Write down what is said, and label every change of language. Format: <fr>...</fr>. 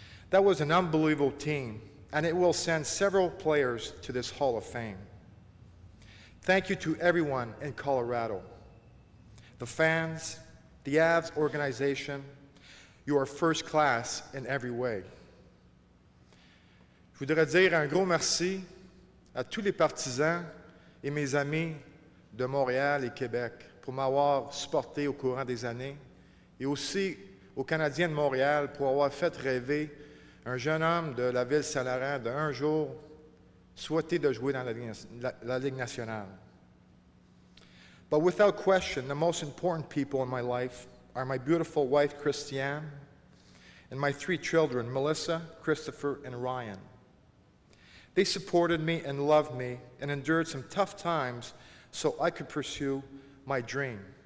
<en>That was an unbelievable team, and it will send several players to this Hall of Fame. Thank you to everyone in Colorado, the fans, the Avs organization. You are first class in every way.</en> <fr>Je voudrais dire un gros merci à tous les partisans et mes amis de Montréal et Québec pour m'avoir supporté au courant des années, et aussi aux Canadiens de Montréal pour avoir fait rêver un jeune homme de la ville Saint-Laurent d'un jour souhaiter de jouer dans la Ligue nationale.</fr> <en>But without question, the most important people in my life are my beautiful wife, Christiane, and my three children, Melissa, Christopher, and Ryan. They supported me and loved me and endured some tough times so I could pursue my dream.</en>